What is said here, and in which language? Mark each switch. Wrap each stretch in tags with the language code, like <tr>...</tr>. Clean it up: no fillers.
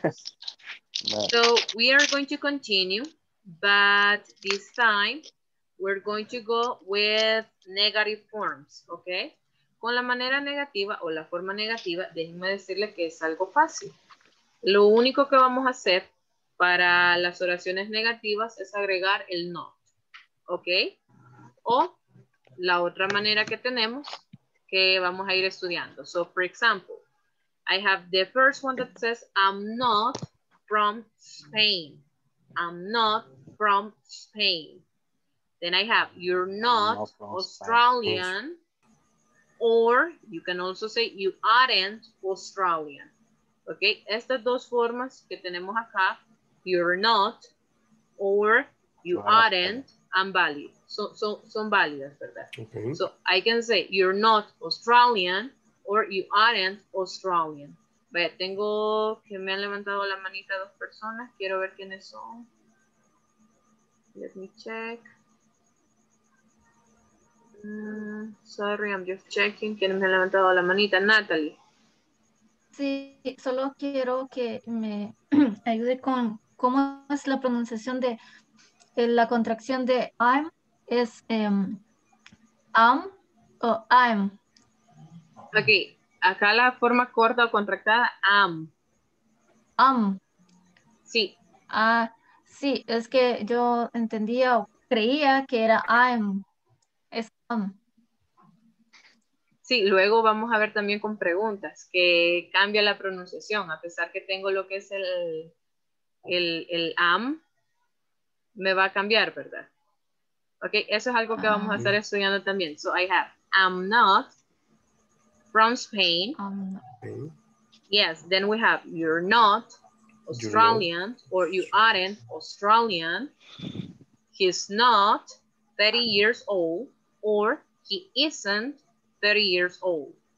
<en>No. So, we are going to continue, but this time... we're going to go with negative forms, okay?</en> <es>Con la manera negativa o la forma negativa, déjenme decirles que es algo fácil. Lo único que vamos a hacer para las oraciones negativas es agregar el not, ¿ok? O la otra manera que tenemos que vamos a ir estudiando.</es> <en>So, for example, I have the first one that says, I'm not from Spain. I'm not from Spain. Then I have, you're not Australian. Or you can also say, you aren't Australian.</en> <es>¿Ok? Estas dos formas que tenemos acá,</es> <en>you're not, or you aren't, I'm valid.</en> <es>Son válidas, ¿verdad?</es> <en>Okay. So I can say, you're not Australian, or you aren't Australian.</en> <es>Vaya, tengo que me han levantado la manita dos personas. Quiero ver quiénes son.</es> <en>Let me check. Sorry, I'm just checking.</en> <es>¿Quién me ha levantado la manita? Natalie. Sí, solo quiero que me ayude con... ¿Cómo es la pronunciación de la contracción de I'm? ¿Es am o I'm? Ok, acá la forma corta o contractada, am. Am. Sí. Ah, sí, es que yo entendía o creía que era I'm. Es am. Sí, luego vamos a ver también con preguntas que cambia la pronunciación, a pesar que tengo lo que es el am, me va a cambiar, ¿verdad? Ok, eso es algo que vamos a estar estudiando también.</es> <en>So I have, I'm not from Spain. Yes, then we have, you're not Australian, or you aren't Australian. He's not 30 years old, or he isn't 30 years old.</en>